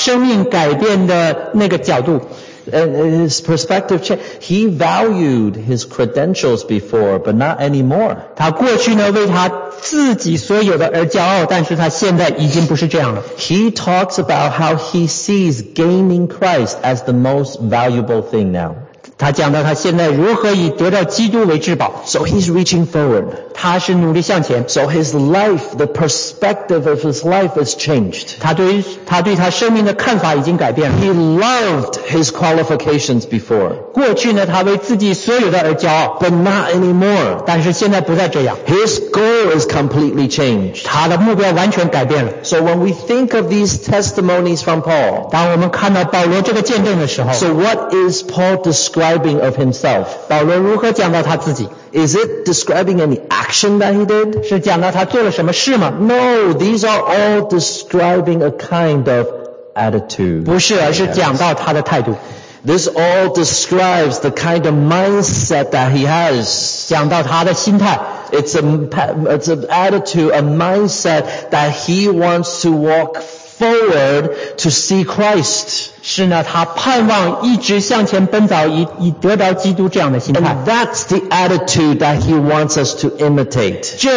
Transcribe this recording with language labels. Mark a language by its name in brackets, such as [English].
[Chinese] 而是讲到说他如何讲到他生命改变的那个角度。 [English] His perspective changed. He valued his credentials before, but not anymore. [Chinese] 他过去呢为他自己所有的而骄傲，但是他现在已经不是这样了。 [English] He talks about how he sees gaining Christ as the most valuable thing now. [Chinese] 他讲到他现在如何以得到基督为至宝。 [English] So he's reaching forward. [Chinese] 他是努力向前。 [English] So his life, the perspective of his life has changed. [Chinese] 他对他生命的看法已经改变了。 [English] He loved his qualifications before. [Chinese] 过去呢他为自己所有的而骄傲。 [English] But not anymore. [Chinese] 但是现在不再这样。 [English] His goal is completely changed. [Chinese] 他的目标完全改变了。 [English] So when we think of these testimonies from Paul, [Chinese] 当我们看到保罗这个见证的时候, [English] So what is Paul describing of himself? [Chinese] 保罗如何讲到他自己? [English] Is it describing any action that he did? [Chinese] 是讲到他做了什么事吗? [English] No, these are all describing a kind of attitude. [Chinese] 不是, 而是讲到他的态度。 [English] This all describes the kind of mindset that he has. [Chinese] 讲到他的心态。 [English] It's an attitude, a mindset that he wants to walk forward to see Christ. [Chinese] 是呢, 他盼望一直向前奔走, 以得到基督这样的心态。 [English] And that's the attitude that he wants us to imitate.